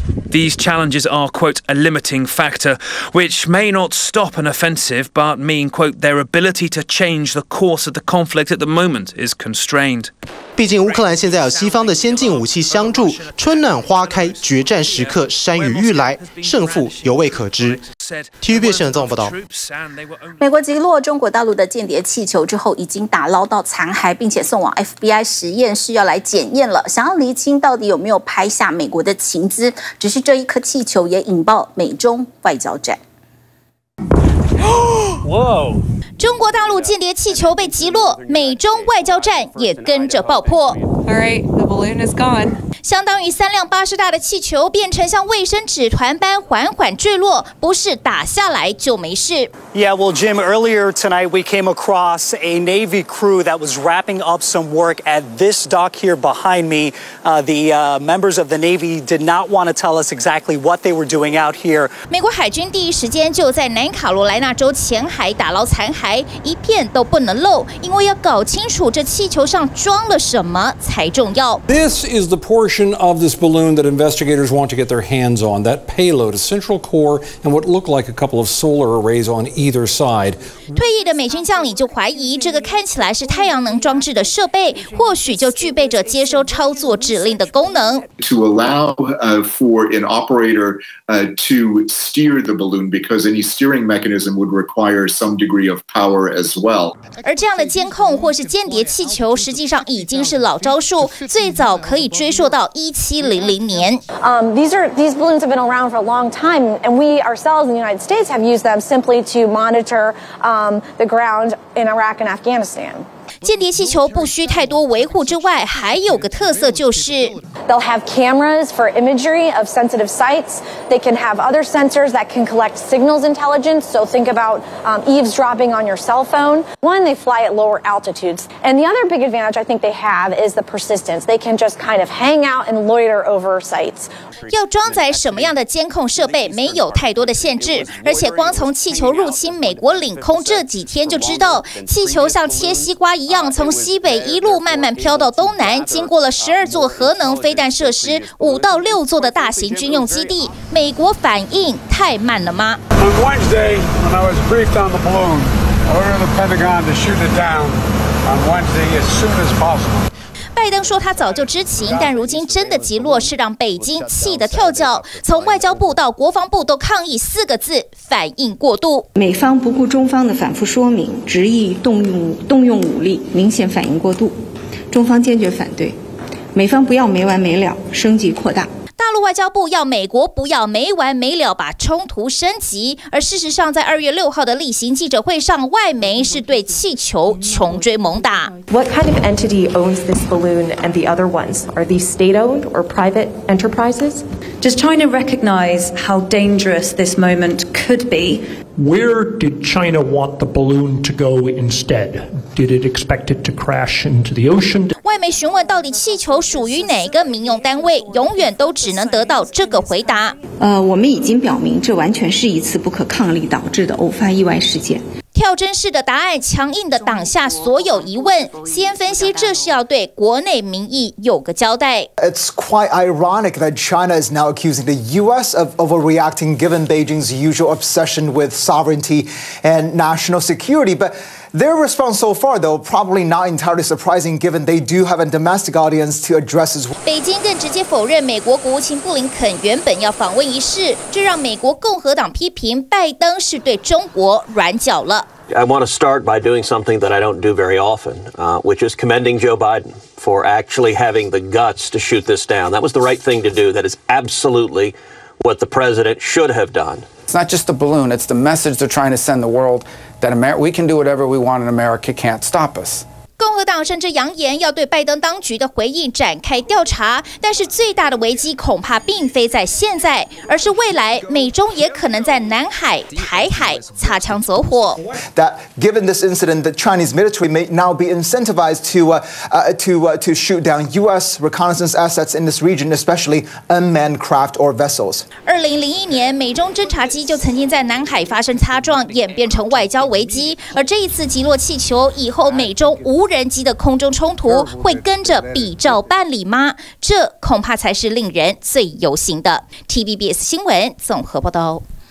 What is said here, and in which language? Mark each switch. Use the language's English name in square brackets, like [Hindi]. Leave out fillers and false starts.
[English] These challenges are, quote, a limiting factor, which may not stop an offensive, but mean, quote, their ability to change the course of the conflict at the moment is constrained. [Chinese] 毕竟乌克兰现在有西方的先进武器相助，春暖花开，决战时刻山雨欲来，胜负犹未可知。 TVB 新闻综合报道。美国击落中国大陆的间谍气球之后，已经打捞到残骸，并且送往 FBI 实验室要来检验了，想要厘清到底有没有拍下美国的情资。只是这一颗气球也引爆美中外交战。中国大陆间谍气球被击落，美中外交战也跟着爆破。相当于三辆巴士大的气球变成像卫生纸团般缓缓坠落，不是打下来就没事。 [English] Yeah, well, Jim, earlier tonight we came across a Navy crew that was wrapping up some work at this dock here behind me. The members of the Navy did not want to tell us exactly what they were doing out here. [Chinese] 美国海军第一时间就在南卡罗来纳州浅海打捞残骸，一片都不能漏，因为要搞清楚这气球上装了什么才重要。 [English] This is the portion of this balloon that investigators want to get their hands on. That payload, a central core, and what looked like a couple of solar arrays on either side. [Chinese] 退役的美军将领就怀疑，这个看起来是太阳能装置的设备，或许就具备着接收操作指令的功能。 [English] To allow for an operator to steer the balloon, because any steering mechanism would require some degree of power as well. [Chinese] 而这样的监控或是间谍气球，实际上已经是老招数，最早可以追溯到1700年。 [English] These balloons have been around for a long time, and we ourselves in the United States have used them simply to monitor the ground in Iraq and Afghanistan. [Chinese] 间谍气球不需太多维护之外，还有个特色就是 [English] ，They'll have cameras for imagery of sensitive sites. They can have other sensors that can collect signals intelligence. So think about eavesdropping on your cell phone. One, they fly at lower altitudes, and the other big advantage I think they have is the persistence. They can just kind of hang out and loiter over sites. [Chinese] 要装载什么样的监控设备，没有太多的限制。而且光从气球入侵美国领空这几天就知道，气球像切西瓜。一样从西北一路慢慢飘到东南，经过了12座核能飞弹设施，5到6座的大型军用基地。美国反应太慢了吗 [English] ？On Wednesday, when I was briefed on the balloon, I ordered the Pentagon to shoot it down on Wednesday as soon as possible. [Chinese] 拜登说他早就知情，但如今真的击落是让北京气得跳脚。从外交部到国防部都抗议四个字：反应过度。美方不顾中方的反复说明，执意动用武力，明显反应过度。中方坚决反对，美方不要没完没了升级扩大。大陆外交部要美国不要没完没了把冲突升级，而事实上在2月6号的例行记者会上，外媒是对气球穷追猛打。 [English] What kind of entity owns this balloon and the other ones? Are these state-owned or private enterprises? Does China recognize how dangerous this moment could be? Where did China want the balloon to go instead? Did it expect it to crash into the ocean? [Chinese] 外媒询问到底气球属于哪个民用单位，永远都只能得到这个回答。我们已经表明，这完全是一次不可抗力导致的偶发意外事件。跳针式的答案，强硬地挡下所有疑问。 CNN 分析，这是要对国内民意有个交代。 [English] It's quite ironic that China is now accusing the U.S. of overreacting, given Beijing's usual obsession with sovereignty and national security, but. Their response so far, though, probably not entirely surprising, given they do have a domestic audience to address as well. [Chinese] 北京更直接否认美国国务卿布林肯原本要访问一事，这让美国共和党批评拜登是对中国软脚了。 [English] I want to start by doing something that I don't do very often, which is commending Joe Biden for actually having the guts to shoot this down. That was the right thing to do. That is absolutely what the president should have done. It's not just the balloon, it's the message they're trying to send the world that we can do whatever we want and America can't stop us. [Chinese] 共和党甚至扬言要对拜登当局的回应展开调查，但是最大的危机恐怕并非在现在，而是未来美中也可能在南海、台海擦枪走火。 [English] That given this incident, the Chinese military may now be incentivized to shoot down U.S. reconnaissance assets in this region, especially unmanned craft or vessels. [Chinese] 2001年，美中侦察机就曾经在南海发生擦撞，演变成外交危机，而这一次击落气球以后，美中无人机的空中冲突会跟着比照办理吗？这恐怕才是令人最忧心的。 TVBS 新闻综合报道。